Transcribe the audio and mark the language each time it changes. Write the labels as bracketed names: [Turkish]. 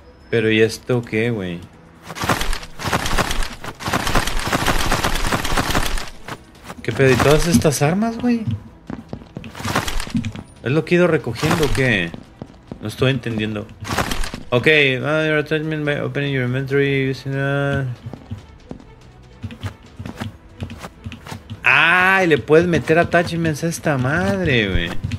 [Spanish] Pero ¿y esto qué, güey? ¿Qué pedo? ¿Y todas estas armas, güey? ¿Es lo que he ido recogiendo o qué? No estoy entendiendo. [English] Ok, your attachment by opening your inventory using a... [Spanish] Ay, le puedes meter attachments a esta madre, güey.